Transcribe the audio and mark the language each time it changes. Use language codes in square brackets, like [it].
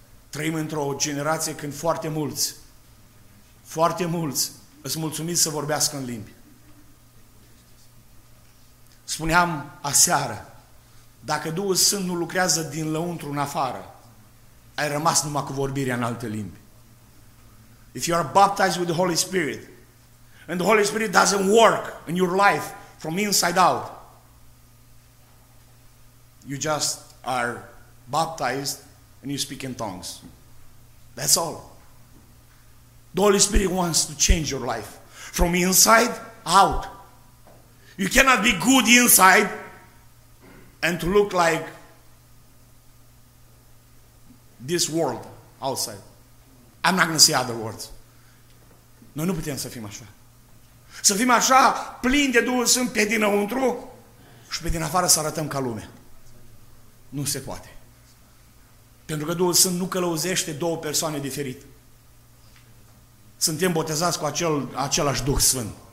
[ro] Trăim într-o generație când foarte mulți îți mulțumiți să vorbească în limbi. Spuneam aseară, dacă Duhul Sfânt nu lucrează din lăuntru în afară, ai rămas numai cu vorbirea în alte limbi. [en] If you are baptized with the Holy Spirit, and the Holy Spirit doesn't work in your life from inside out, you just are baptized and you speak in tongues. That's all. The Holy Spirit wants to change your life from inside out. You cannot be good inside and to look like this world outside. I'm not going to say other words. [ro] Noi nu putem să fim așa. Să fim așa plini de Duhul Sfânt pe dinăuntru și pe din afară să arătăm ca lume. Nu se poate. Pentru că Duhul Sfânt nu călăuzește două persoane diferit. Suntem botezați cu același Duh Sfânt.